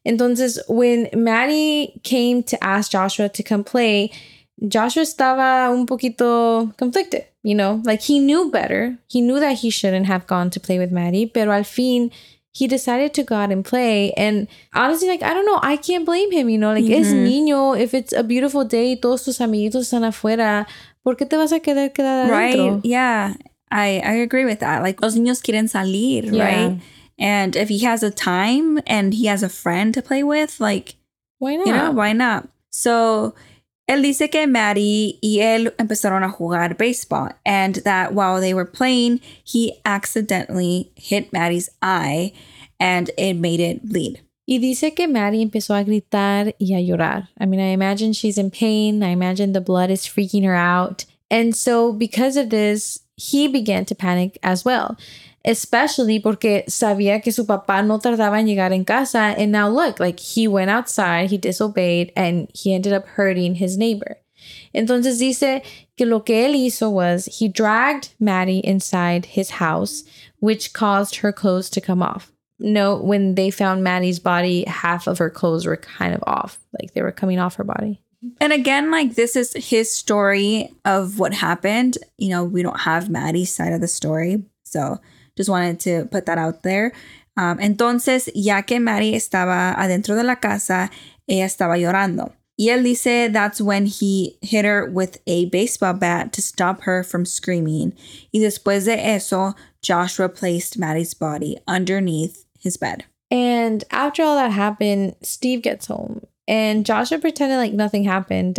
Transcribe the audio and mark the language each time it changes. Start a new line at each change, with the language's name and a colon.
Spanish: Entonces,
English: when Maddie came to ask Joshua to come play, Joshua
Spanish: estaba un poquito
English: conflicted, you know? Like, he knew better. He knew that he shouldn't have gone to play with Maddie.
Spanish: Pero al fin,
English: he decided to go out and play. And honestly, like, I don't know. I can't blame him, you know? Like, mm-hmm.
Spanish: Es niño.
English: If it's a beautiful day,
Spanish: todos tus amiguitos están afuera. ¿Por qué te vas a quedar adentro?
English: Right, yeah. I agree with that.
Spanish: Like, los niños quieren salir, yeah.
English: Right? And if he has a time and he has a friend to play with, like... Why not? You know, why not? So...
Spanish: Él dice que Maddie y él empezaron a jugar baseball
English: and that while they were playing, he accidentally hit Maddie's eye and it made it bleed.
Spanish: Y dice que Maddie empezó a gritar y a llorar.
English: I mean, I imagine she's in pain. I imagine the blood is freaking her out. And so because of this, he began to panic as well, especially
Spanish: porque sabía que su papá no tardaba en llegar en casa.
English: And now look, like he went outside, he disobeyed, and he ended up hurting his neighbor.
Spanish: Entonces dice que lo que él hizo
English: was he dragged Maddie inside his house, which caused her clothes to come off. Note, when they found Maddie's body, half of her clothes were kind of off, like they were coming off her body. And again, like, this is his story of what happened. You know, we don't have Maddie's side of the story, so... Just wanted to put that out there.
Spanish: Entonces, ya que Maddie estaba adentro de la casa, ella estaba llorando. Y él dice
English: that's when he hit her with a baseball bat to stop her from screaming.
Spanish: Y después de eso,
English: Joshua placed Maddie's body underneath his bed. And after all that happened, Steve gets home. And Joshua pretended like nothing happened.